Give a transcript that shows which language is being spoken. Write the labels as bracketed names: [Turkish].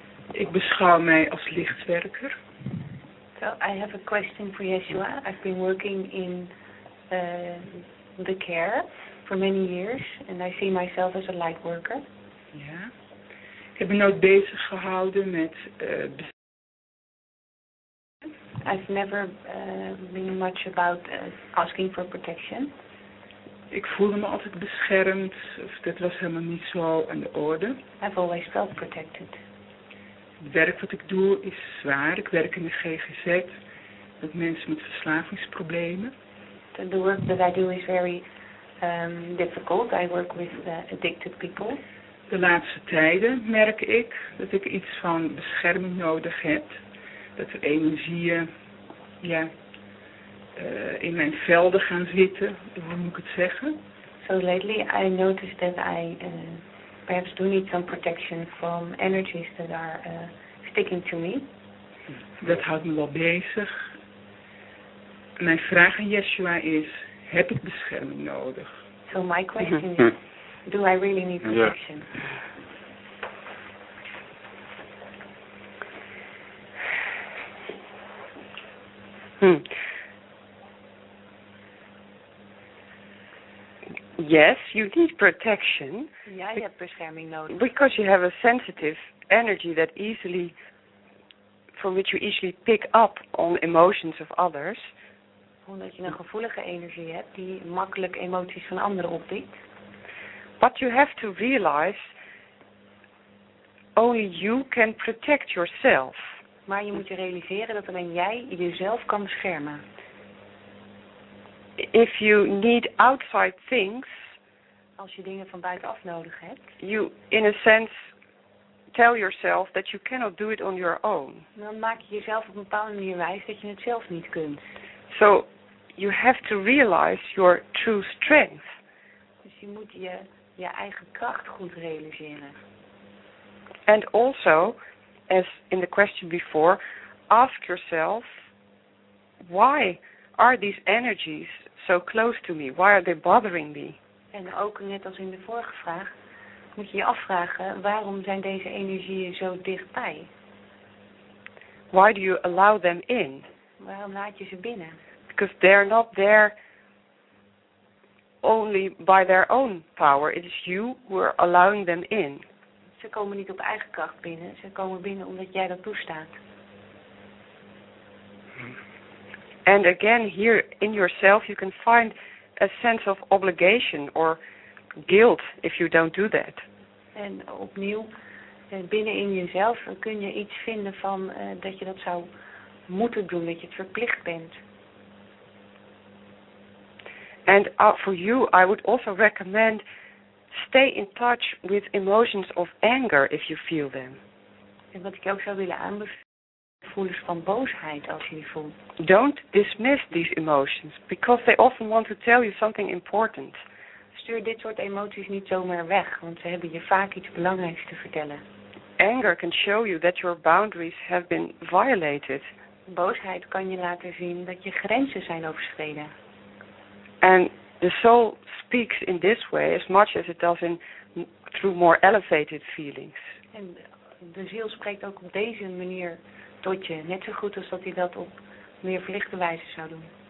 [Dutch] Ik beschouw mij als lichtwerker. [English] So, I have a question for Yeshua. I've been working in the care for many years and I see myself as a light worker. Ja. Yeah. [Dutch] Ik heb me nooit bezig gehouden met [English] I've never been much about asking for protection. [Dutch] Ik voelde me altijd beschermd, of dat was helemaal niet zo aan de orde. [English] I've always felt protected. [Dutch] Het werk wat ik doe is zwaar. Ik werk in de GGZ met mensen met verslavingsproblemen. [English] The work that I do is very difficult. I work with addicted people. [Dutch] De laatste tijden merk ik dat ik iets van bescherming nodig heb. Dat er energieën in mijn velden gaan zitten. Hoe moet ik het zeggen? [English] So lately I noticed that I perhaps do need some protection from energies that are sticking to me. [Dutch] Dat houdt me wel bezig. Mijn vraag aan Yeshua is, heb ik bescherming nodig? [English] So my question is... Do I really need protection? Yeah. Yes, you need protection. Yeah, I have [Dutch] bescherming nodig. [English] Because you have a sensitive energy that easily, from which you easily pick up on emotions of others. [Dutch] Omdat je een gevoelige energie hebt die makkelijk emoties van anderen oppikt. [English] But you have to realize only you can protect yourself. [Dutch] Maar je moet je realiseren dat alleen jij jezelf kan beschermen. [English] If you need outside things, [Dutch] als je dingen van buitenaf nodig hebt, [English] you in a sense tell yourself that you cannot do it on your own. [Dutch] Dan maak je jezelf op een bepaalde manier wijs dat je het zelf niet kunt. [English] So you have to realize your true strength. [Dutch] Dus je moet je eigen kracht goed realiseren. [English] And also, as in the question before, ask yourself, why are these energies so close to me? Why are they bothering me? [Dutch] En ook net als in de vorige vraag, moet je je afvragen, waarom zijn deze energieën zo dichtbij? [English] Why do you allow them in? [Dutch] Waarom laat je ze binnen? [English] Because they're not there only by their own power. It is you who are allowing them in. [Dutch] Ze komen niet op eigen kracht binnen. Ze komen binnen omdat jij dat toestaat. [English] And again, here in yourself, you can find a sense of obligation or guilt if you don't do that. [Dutch] En opnieuw, binnen in jezelf kun je iets vinden van dat je dat zou moeten doen, dat je het verplicht bent. [English] And for you, I would also recommend stay in touch with emotions of anger if you feel them. [Dutch] En wat ik ook zou willen aanbevelen, gevoelens van boosheid als je die voelt. [English] Don't dismiss these emotions, because they often want to tell you something important. [Dutch] Dus stuur dit soort emoties niet zomaar weg, want ze hebben je vaak iets belangrijks te vertellen. [English] Anger can show you that your boundaries have been violated. [Dutch] Boosheid kan je laten zien dat je grenzen zijn overschreden. [English] And the soul speaks in this way as much as it does in through more elevated feelings. [Dutch] En de ziel spreekt ook op deze manier tot je, net zo goed als dat hij dat op meer verlichte wijze zou doen.